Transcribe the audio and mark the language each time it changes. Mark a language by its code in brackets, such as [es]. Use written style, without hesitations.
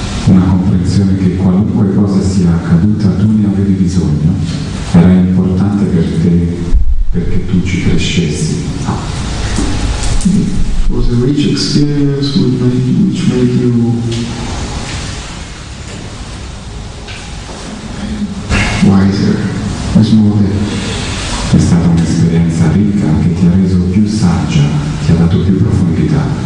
[it] Una comprensione che qualunque cosa sia accaduta tu ne avevi bisogno, era importante per te perché tu ci crescessi. [en] It was a rich experience which made you wiser, smarter. [it] È stata un'esperienza ricca che ti ha reso più saggia, ti ha dato più profondità.